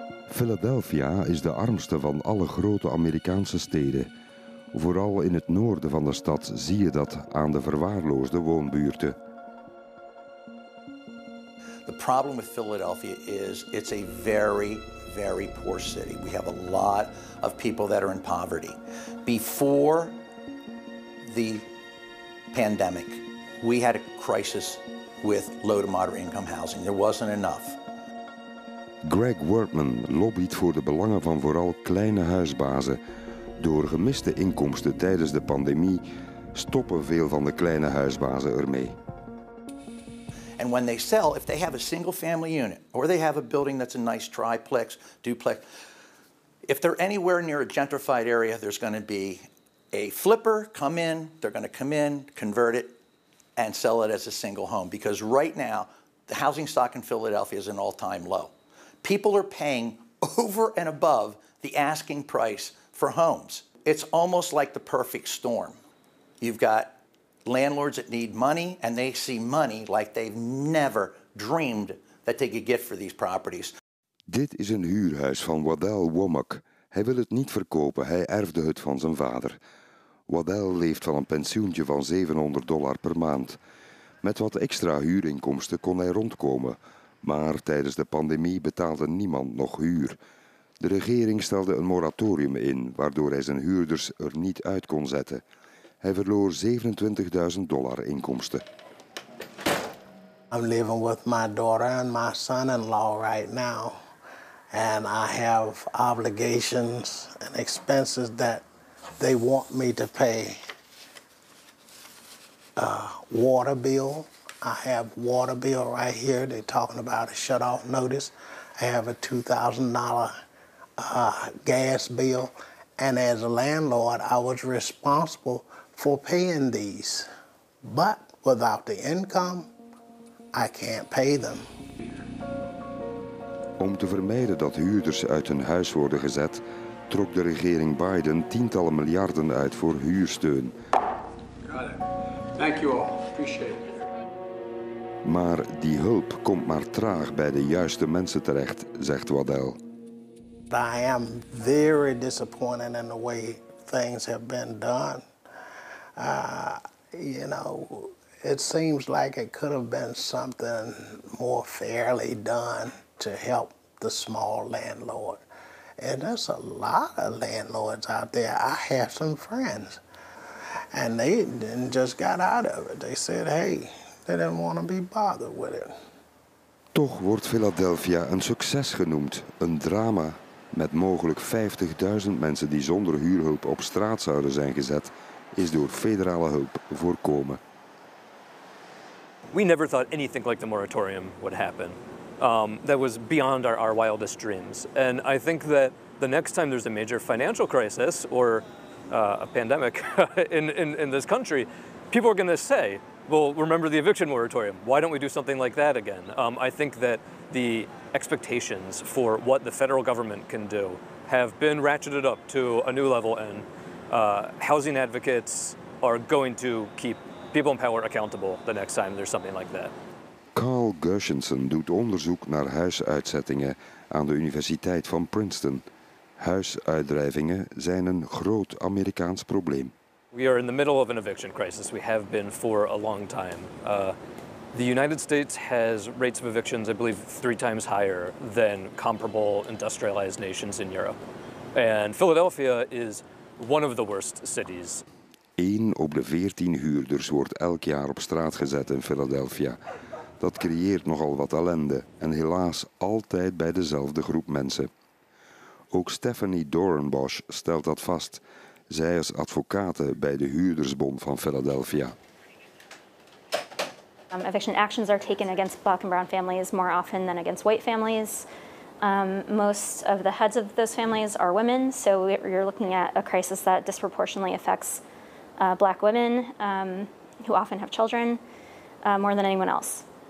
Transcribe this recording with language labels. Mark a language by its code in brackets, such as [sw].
[nl] Philadelphia is de armste van alle grote Amerikaanse steden. Vooral in het noorden van de stad zie je dat aan de verwaarloosde woonbuurten. [en] The problem with Philadelphia is it's a very, very poor city. We have a lot of people that are in poverty. Before the pandemic, we had a crisis with low to moderate income housing. There wasn't enough. [nl] Greg Workman lobbyt voor de belangen van vooral kleine huisbazen. Door gemiste inkomsten tijdens de pandemie stoppen veel van de kleine huisbazen ermee. [en] And when they sell, if they have a single family unit or they have a building that's a nice triplex, duplex, if they're anywhere near a gentrified area, there's going to be a flipper come in, they're going to come in, convert it and sell it as a single home, because right now the housing stock in Philadelphia is an all-time low. People are paying over and above the asking price for homes. It's almost like the perfect storm. You've got landlords that need money and they see money like they've never dreamed that they could get for these properties. [nl] Dit is een huurhuis van Waddell Womack. Hij wil het niet verkopen. Hij erfde het van zijn vader. Waddell leeft van een pensioentje van $700 per maand. Met wat extra huurinkomsten kon hij rondkomen. Maar tijdens de pandemie betaalde niemand nog huur. De regering stelde een moratorium in, waardoor hij zijn huurders er niet uit kon zetten. Hij verloor $27.000 inkomsten. [en] I'm living with my daughter and my son-in-law right now. And I have obligations and expenses that they want me to pay. Water bill. I have water bill right here. They're talking about a shut-off notice. I have a $2,000 gas bill And as a landlord, I was responsible for paying these. But without the income, I can't pay them. [nl] Om te vermijden dat huurders uit hun huis worden gezet, trok de regering Biden tientallen miljarden uit voor huursteun. [en] Thank you all. Appreciate it. [nl] Maar die hulp komt maar traag bij de juiste mensen terecht, zegt Waddell. [en] I am very disappointed in the way things have been done. You know, it seems like it could have been something more fairly done to help the small landlord. And there's a lot of landlords out there. I have some friends. And they didn't just got out of it. They said, hey, they didn't want to be bothered with it. [nl] Toch wordt Philadelphia een succes genoemd, een drama. Met mogelijk 50.000 mensen die zonder huurhulp op straat zouden zijn gezet, is door federale hulp voorkomen. [en] We never thought anything like the moratorium would happen. That was beyond our wildest dreams. And I think that the next time there's a major financial crisis or a pandemic in this country, people are going to say, well, remember the eviction moratorium. Why don't we do something like that again? I think that the expectations for what the federal government can do have been ratcheted up to a new level, and housing advocates are going to keep people in power accountable the next time there's something like that. [nl] Carl Gershenson doet onderzoek naar huisuitzettingen aan de Universiteit van Princeton. Huisuitdrijvingen zijn een groot Amerikaans probleem. [en] We are in the middle of an eviction crisis. We have been for a long time. The United States has rates of evictions, I believe, 3 times higher than comparable industrialized nations in Europe. And Philadelphia is one of the worst cities. [nl] 1 op de 14 huurders wordt elk jaar op straat gezet in Philadelphia. Dat creëert nogal wat ellende en helaas altijd bij dezelfde groep mensen. Ook Stephanie Doornbosch stelt dat vast. Zij is advocaat bij de Huurdersbond van Philadelphia. [en] Eviction actions are taken against black and brown families more often than against white families. Most of the heads of those families are women, so you're looking at a crisis that disproportionately affects black women who often have children more than anyone else.